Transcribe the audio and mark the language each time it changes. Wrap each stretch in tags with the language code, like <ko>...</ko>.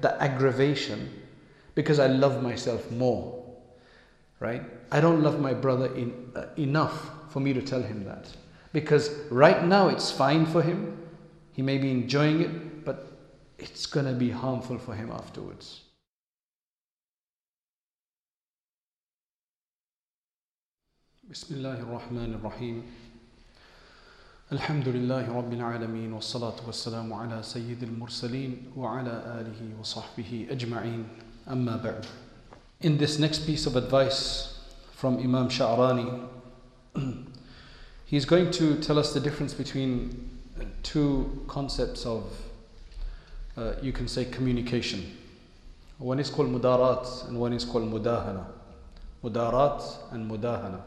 <en>The aggravation, because I love myself more, right? I don't love my brother enough for me to tell him that. Because right now it's fine for him. He may be enjoying it, but it's going to be harmful for him afterwards.</en> <ar>بسم الله الرحمن الرحيم الحمد لله رب العالمين والصلاة والسلام على سيد المرسلين وعلى آله وصحبه أجمعين أما بعد.</ar> <en>In this next piece of advice from Imam Sha'rani, he's going to tell us the difference between two concepts of you can say communication. One is called mudarat and one is called mudahana. Mudarat and mudahana.</en>